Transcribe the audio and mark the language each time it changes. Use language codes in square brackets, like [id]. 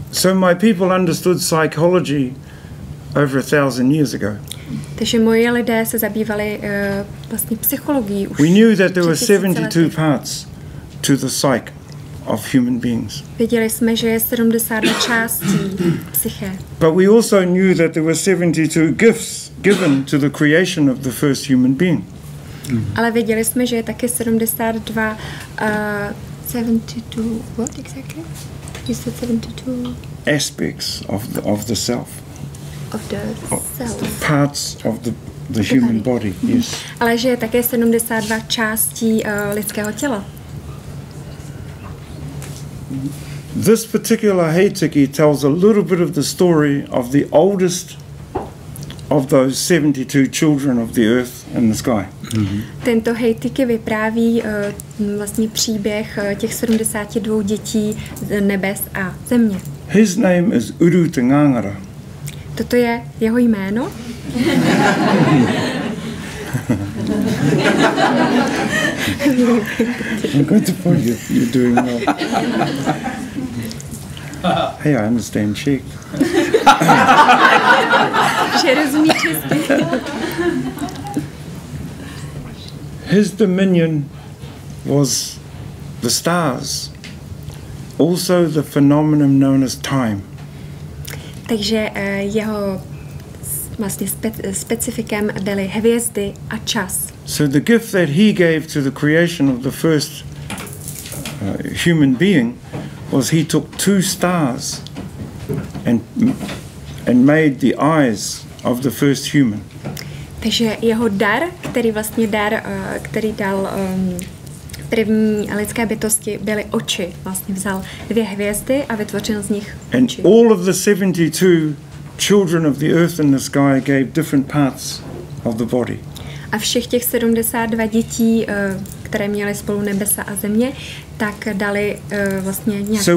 [en] So my people understood psychology over 1,000 years ago. [cs] Takže moji lidé se zabývali vlastně psychologií už. [en] We knew that there were 72 parts to the psyche of human beings. [cs] Věděli jsme, že je 72 částí psyché. [en] But we also knew that there were 72 gifts given to the creation of the first human being. [cs] Ale věděli jsme, že je taky 72 72 [en] aspects of the self. Of the self. Parts of the human body, yes. [cs] Ale že je také 72 částí lidského těla. [en] This particular heiteki tells a little bit of the story of the oldest of those 72 children of the earth and the sky. Mm-hmm. [cs] Tento heiteki vypráví vlastně příběh těch 72 dětí z nebes a země. [en] His name is Uru Te Ngangara. [cs] Toto je jeho jméno. [en] I'm going to point you. You're doing well. Hey, I understand Czech. His dominion was the stars, also the phenomenon known as time. [cs] Takže jeho vlastně specifikem byly hvězdy a čas. [en] So the gift that he gave to the creation of the first human being was he took two stars and made the eyes of the first human. [cs] Takže jeho dar, který vlastně dar, který dal první lidské bytosti, byly oči. Vlastně vzal dvě hvězdy a vytvořil z nich oči. [en] And all of the 72 children of the earth and the sky gave different parts of the body. [cs] A všech těch 72 dětí, které měly spolu nebesa a země, tak dali vlastně nějak část těla.